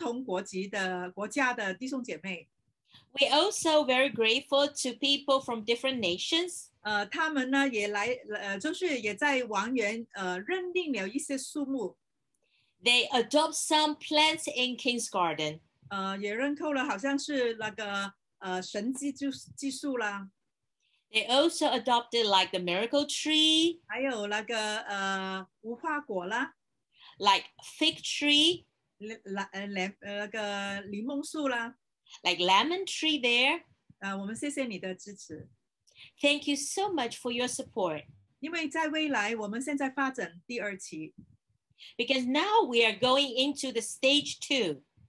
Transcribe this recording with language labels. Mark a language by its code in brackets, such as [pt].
[zh] 我们也谢谢有一些来自不同国籍的国家的弟兄姐妹。 [en] We also very grateful to people from different nations. [zh] 他们呢也来，就是也在王园认定了一些树木。 [en] They adopt some plants in King's Garden. [zh] 也认购了好像是那个神机树啦。 [en] They also adopted like the miracle tree. [zh] 还有那个无花果啦。 [en] Like fig tree. [zh] 那个柠檬树啦。 [en] Like lemon tree there. [zh] 我们谢谢你的支持。 [en] Thank you so much for your support. [zh] 因为在未来我们现在发展第二期。 [en] Because now we are going into the stage two.